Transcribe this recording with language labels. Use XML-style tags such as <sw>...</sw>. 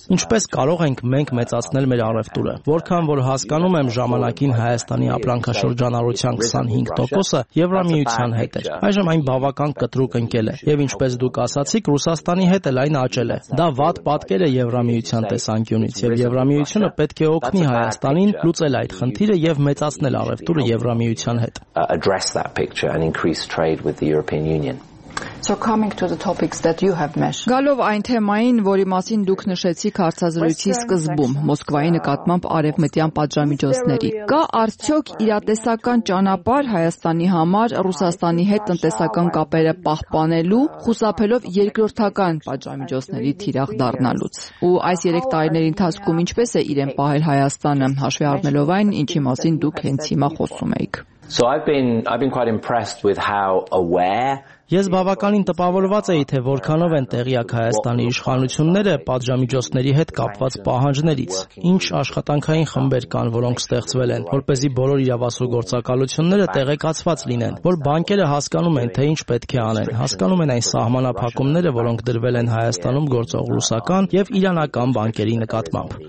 <hy>Ինչպես կարող ենք մենք մեծացնել մեր արևտուրը։ Որքան որ հասկանում եմ, ժամանակին Հայաստանի ապրանքաշրջանառության 25%-ը Եվրամիության հետ էր։ Այժմ այն բավական կտրուկ ընկել է, եւ ինչպես դուք ասացիք, Ռուսաստանի հետ էլ այն աճել է։ Դա վատ պատկեր է Եվրամիության տեսանկյունից, եւ Եվրամիությունը պետք է օգնի Հայաստանին լուծել այդ խնդիրը եւ մեծացնել արևտուրը Եվրամիության հետ։</hy> <en>So coming to the topics that you have mentioned.</en> <hy>Գալով այն թեմային, որի մասին դուք նշեցիք հարցազրույցի սկզբում, Մոսկվայի նկատմամբ արևմտյան պատժամիջոցների, կա արդյոք իրատեսական ճանապարհ Հայաստանի համար Ռուսաստանի հետ տնտեսական կապերը պահպանելու, խուսափելով երկրորդական պատժամիջոցների թիրախ դառնալուց։ Ու այս 3 տարիների ընթացքում ինչպես է իրեն պահել Հայաստանը, հաշվի առնելով այն, ինչի մասին դուք հենց հիմա խոսում եք։</hy> <en>So I've been quite impressed with how aware</en> <hy>Ես բավականին տպավորված էի, թե որքանով են տեղյակ Հայաստանի իշխանությունները պատժամիջոցների հետ կապված պահանջներից, ինչ աշխատանքային խմբեր կան, որոնք ստեղծվել են, որպեսզի բոլոր իրավասու գործակալությունները տեղեկացված լինեն, որ բանկերը հասկանում են, թե ինչ պետք է անեն, հասկանում են այն սահմանափակումները, որոնք դրվել են Հայաստանում գործող ռուսական և իրանական բանկերի նկատմամբ։</hy>